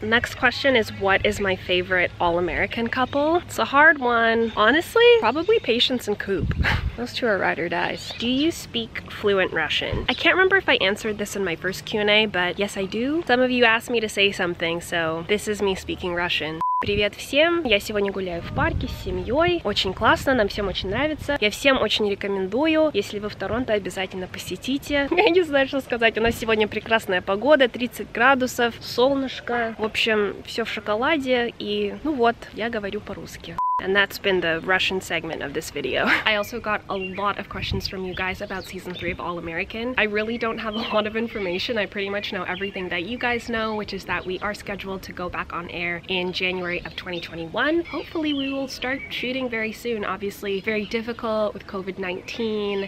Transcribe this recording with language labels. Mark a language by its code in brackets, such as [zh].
[en] Next question is, what is my favorite all-American couple? It's a hard one. Honestly, probably Patience and Coop. Those two are ride or dies. Do you speak fluent Russian? I can't remember if I answered this in my first Q&A, but yes, I do. Some of you asked me to say something, so this is me speaking Russian. [ru] Привет всем! Я сегодня гуляю в парке с семьей. Очень классно, нам всем очень нравится. Я всем очень рекомендую. Если вы в Торонто, обязательно посетите. Я не знаю, что сказать. У нас сегодня прекрасная погода, 30 градусов, солнышко. В общем, все в шоколаде. И ну вот, я говорю по-русски. [en] And that's been the Russian segment of this video. I also got a lot of questions from you guys about season 3 of All American. I really don't have a lot of information. I pretty much know everything that you guys know, which is that we are scheduled to go back on air in January of 2021. Hopefully we will start shooting very soon. Obviously very difficult with COVID-19.